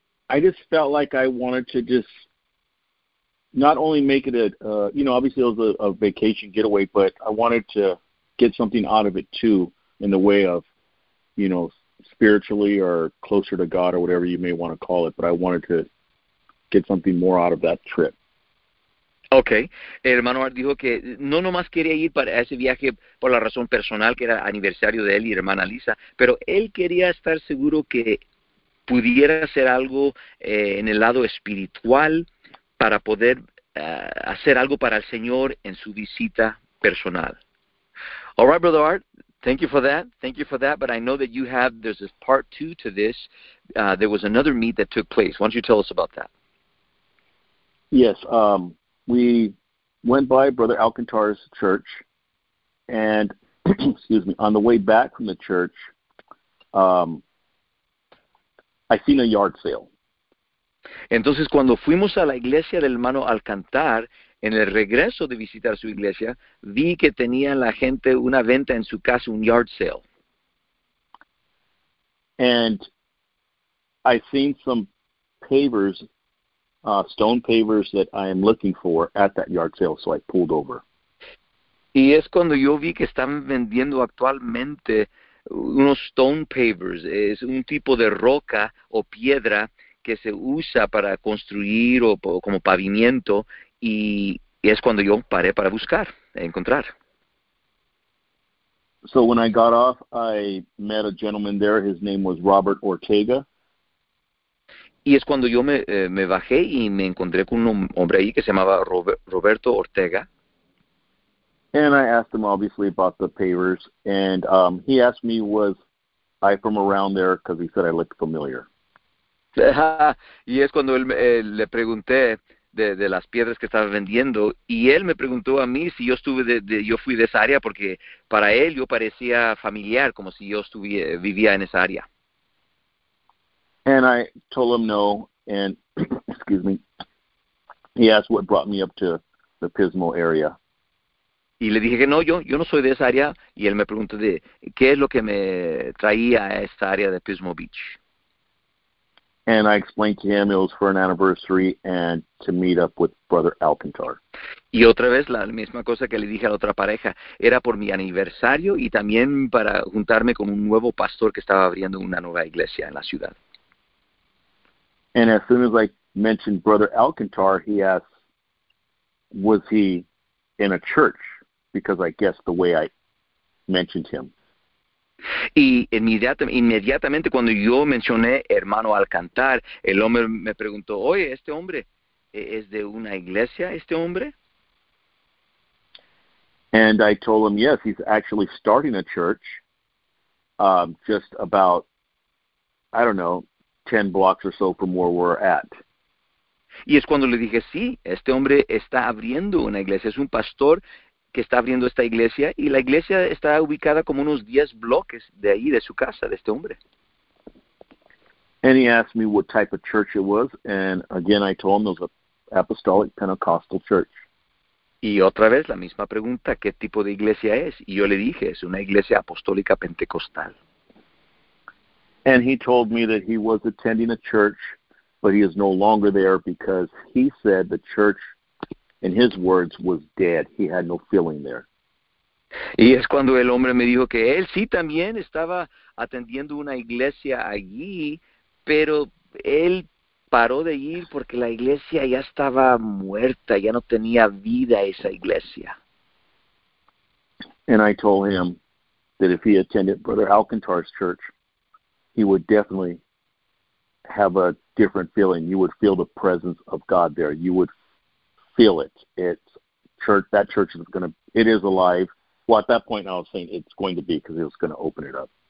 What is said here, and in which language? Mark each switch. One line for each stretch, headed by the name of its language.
English: I just felt like I wanted to just not only make it a, you know, obviously it was a vacation getaway, but I wanted to get something out of it too, in the way of, you know, spiritually or closer to God or whatever you may want to call it. But I wanted to get something more out of that trip. Okay.
Spanish: El hermano Art dijo que no nomás quería ir para ese viaje por la razón personal, que era aniversario de él y hermana Lisa, pero él quería estar seguro que pudiera hacer algo en el lado espiritual para poder hacer algo para el Señor en su visita personal.
English: All right, Brother Art. Thank you for that. Thank you for that. But I know that you have, there's a part two to this. There was another meet that took place. Why don't you tell us about that? Yes. We went by Brother Alcantara's church. And, excuse me, on the way back from the church, I seen a yard sale.
Spanish: Entonces, cuando fuimos a la iglesia del hermano Alcantar, en el regreso de visitar su iglesia, vi que tenía la gente una venta en su casa, un yard sale.
English: And I seen some pavers, stone pavers that I am looking for at that yard sale, so I pulled over.
Spanish: Y es cuando yo vi que están vendiendo actualmente unos stone pavers, es un tipo de roca o piedra que se usa para construir o como pavimento, y es cuando yo paré para buscar, encontrar.
English: So when I got off, I met a gentleman there. His name was Robert Ortega.
Spanish: Y es cuando yo me bajé y me encontré con un hombre ahí que se llamaba Roberto Ortega.
English: And I asked him, obviously, about the pavers. And he asked me, was I from around there? Because he said I looked familiar.
Spanish: Y es cuando él le pregunté de las piedras que estaba vendiendo, y él me preguntó a mí si yo estuve yo fui de esa área, porque para él yo parecía familiar, como si yo vivía en esa área.
English: And I told him no, and excuse me, he asked what brought me up to the Pismo area.
Spanish: Y le dije que no, yo no soy de esa área, y él me preguntó de qué es lo que me traía a esta área de Pismo Beach.
English: And I explained to him it was for an anniversary and to meet up with Brother Alcantar.
Spanish: Y otra vez la misma cosa que le dije a la otra pareja, era por mi aniversario y también para juntarme con un nuevo pastor que estaba abriendo una nueva iglesia en la ciudad.
English: And as soon as I mentioned Brother Alcantar, he asked, was he in a church? Because I guess the way I mentioned him.
Spanish: Y inmediatamente cuando yo mencioné hermano Alcantar, el hombre me preguntó, oye, ¿este hombre es de una iglesia, este hombre?
English: And I told him, yes, he's actually starting a church just about, I don't know, 10 blocks or so from where we're at.
Spanish: Y es cuando le dije, sí, este hombre está abriendo una iglesia, es un pastor que está abriendo esta iglesia, y la iglesia está ubicada como unos 10 bloques de ahí, de su casa, de este hombre.
English: And he asked me what type of church it was, and again I told him it was an apostolic Pentecostal church.
Spanish: Y otra vez la misma pregunta, ¿qué tipo de iglesia es? Y yo le dije, es una iglesia apostólica pentecostal.
English: And he told me that he was attending a church, but he is no longer there because he said the church, in his words, was dead. He had no feeling there.
Spanish: Y es cuando el hombre me dijo que él sí también estaba atendiendo una iglesia allí, pero él paró de ir porque la iglesia ya estaba muerta, ya no tenía vida esa iglesia.
English: And I told him that if he attended Brother Alcantar's church, he would definitely have a different feeling. You would feel the presence of God there. You would feel it. It's church. That church is going to, it is alive. Well, at that point, I was saying it's going to be because it was going to open it up.